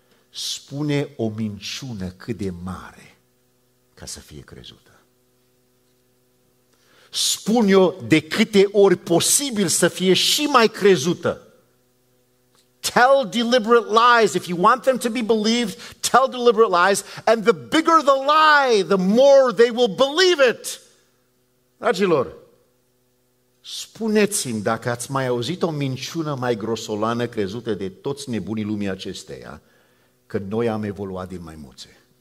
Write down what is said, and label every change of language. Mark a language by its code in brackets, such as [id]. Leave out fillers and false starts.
[ro] Spune o minciună cât de mare ca să fie crezută. Spun eu de câte ori posibil să fie și mai crezută. [en] Tell deliberate lies. If you want them to be believed, tell deliberate lies. And the bigger the lie, the more they will believe it. [ro] Dragilor, spuneți-mi dacă ați mai auzit o minciună mai grosolană crezută de toți nebunii lumii acesteia, că noi am evoluat din maimuțe.